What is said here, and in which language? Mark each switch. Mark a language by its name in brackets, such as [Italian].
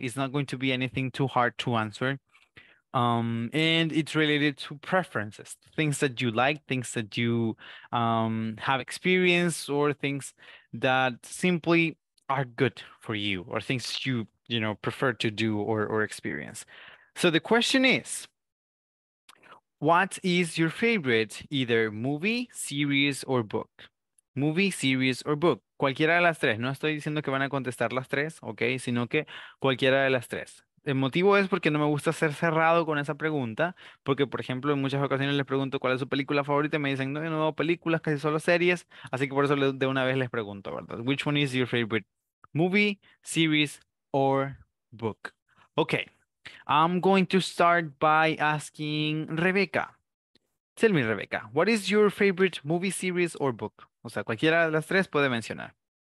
[English] It's not going to be anything too hard to answer. And it's related to preferences, things that you like, things that you have experience, or things that simply are good for you, or things you prefer to do or experience. So the question is, what is your favorite either movie, series, or book? Movie, series, or book. [Spanish] Cualquiera de las tres. No estoy diciendo que van a contestar las tres, ¿ok? Sino que cualquiera de las tres. El motivo es porque no me gusta ser cerrado con esa pregunta, porque por ejemplo en muchas ocasiones les pregunto cuál es su película favorita y me dicen no, yo no veo películas, casi solo series, así que por eso de una vez les pregunto, ¿verdad? [English] Which one is your favorite movie, series, or book? Okay, I'm going to start by asking Rebecca. Tell me, Rebecca, what is your favorite movie, series, or book? [Spanish] O sea, cualquiera de las tres puede mencionar.